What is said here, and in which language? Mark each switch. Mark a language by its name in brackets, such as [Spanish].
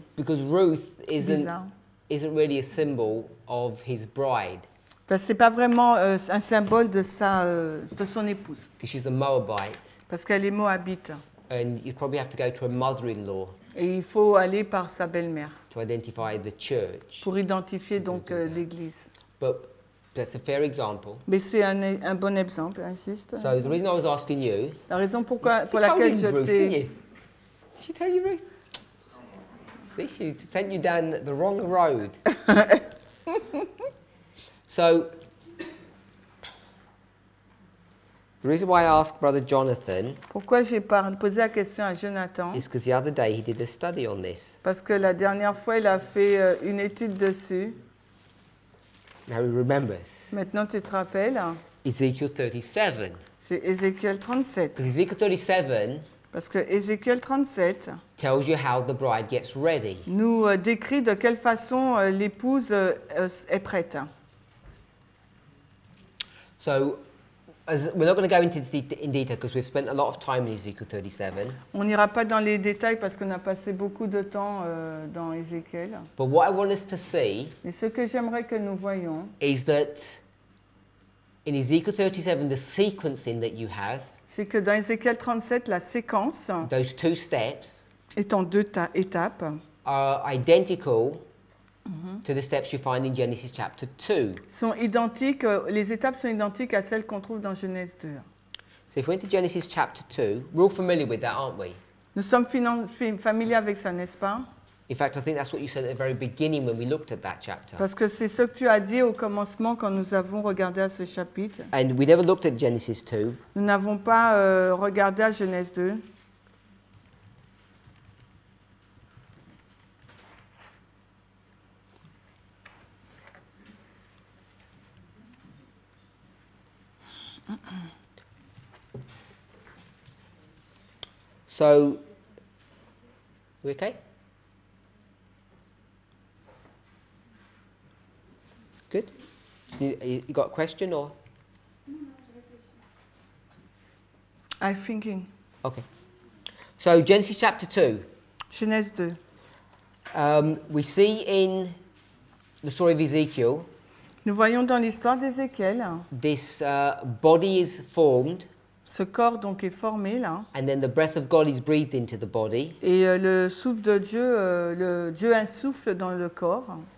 [English] Because Ruth isn't really a symbol of his bride. [French] Parce que c'est pas vraiment un symbole de sa de son épouse. [English] Because she's a Moabite. [French] Parce qu'elle est Moabite. [English] And you probably have to go to a mother-in-law. [French] Et il faut aller par sa belle-mère. [English] To identify the church. [French] Pour identifier donc l'église. [English] But that's a fair example. [French] Mais c'est un bon exemple, insiste. [English] So the reason I was asking you. [French] La raison pourquoi pour laquelle je t'ai. [English] Did she tell you, Ruth? See, she sent you down the wrong road. So the reason why I asked Brother Jonathan. [French] Pourquoi j'ai posé la question à Jonathan? [English] Is because the other day he did a study on this. [French] Parce que la dernière fois il a fait une étude dessus. [English] Now he remembers. [French] Maintenant tu te rappelles? [English] Ezekiel 37. [French] C'est Ezekiel 37. [English] Ezekiel 37. [French] Parce que Ezekiel 37 [English] tells you how the bride gets ready. [French] Nous décrit de quelle façon l'épouse est prête. [English] So, as we're not going to go into in detail because we've spent a lot of time in Ezekiel 37. [French] On n'ira pas dans les détails parce qu'on a passé beaucoup de temps dans Ezekiel. [English] But what I want us to see. [French] Mais ce que j'aimerais que nous voyons. [English] Is that in Ezekiel 37 the sequencing that you have. [French] C'est que dans Ézéchiel 37, la séquence [English] those two steps [French] est en deux étapes [English] are identical to the steps you find in Genesis chapter 2. [French] Sont identiques, les étapes sont identiques à celles qu'on trouve dans Genèse 2. [English] So if we went to Genesis chapter 2, we're all familiar with that, aren't we? [French] Nous sommes familiers avec ça, n'est-ce pas? [English] In fact, I think that's what you said at the very beginning when we looked at that chapter. [French] Parce que c'est ce que tu as dit au commencement quand nous avons regardé à ce chapitre. [English] And we never looked at Genesis 2. [French] Nous n'avons pas regardé à Genèse 2. [English] So, we okay? Good. You got a question or? I'm thinking. Okay. So Genesis chapter 2. [French] Genèse 2. [English] We see in the story of Ezekiel. [French] Nous voyons dans l'histoire d'Ézéchiel. [English] This body is formed. [French] Ce corps donc est formé là. [English] And then the breath of God is breathed into the body. [French] Et le souffle de Dieu, le Dieu insuffle dans le corps.